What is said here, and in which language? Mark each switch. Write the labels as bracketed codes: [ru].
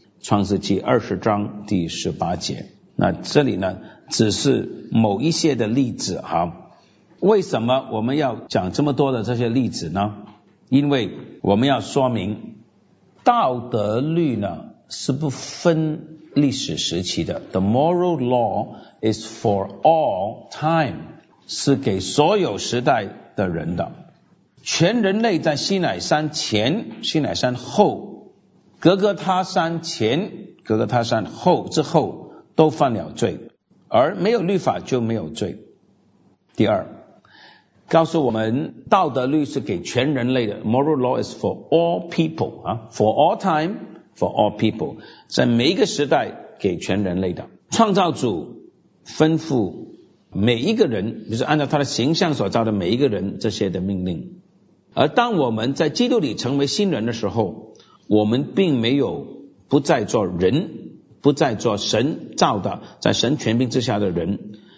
[zh] 创世纪二十章第十八节。那这里呢，只是某一些的例子哈。为什么我们要讲这么多的这些例子呢？因为我们要说明，道德律呢是不分历史时期的。 [en] The moral law is for all time， [zh] 是给所有时代的人的。全人类在西乃山前、西乃山后、格格他山前、格格他山后之后都犯了罪，而没有律法就没有罪。第二，告诉我们道德律是给全人类的。 [en] Moral law is for all people， for all time， for all people， [zh] 在每一个时代给全人类的。创造主吩咐每一个人，就是按照他的形象所造的每一个人这些的命令。而当我们在基督里成为新人的时候，我们并没有不再做人，不再做神造的，在神权柄之下的人。